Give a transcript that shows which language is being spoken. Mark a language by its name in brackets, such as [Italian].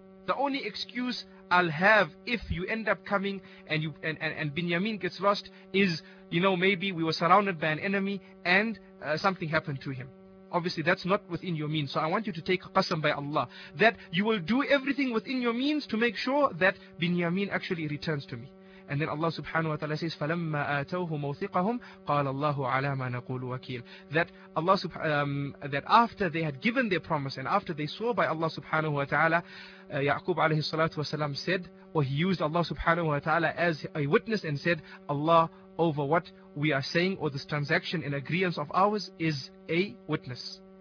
[English] The only excuse I'll have if you end up coming and you and Binyamin gets lost is, you know, maybe we were surrounded by an enemy and something happened to him. Obviously, that's not within your means. So I want you to take qasam by Allah that you will do everything within your means to make sure that Binyamin actually returns to me. And then Allah subhanahu wa ta'ala says, [Arabic] فَلَمَّا آتَوْهُ مَوْثِقَهُمْ قَالَ اللَّهُ عَلَى مَا نَقُولُ وَكِيلٌ. [English] That Allah that after they had given their promise and after they swore by Allah subhanahu wa ta'ala, Yaqub alayhi salatu wasalam said, or he used Allah subhanahu wa ta'ala as a witness and said, Allah over what we are saying or this transaction in agreeance of ours is a witness.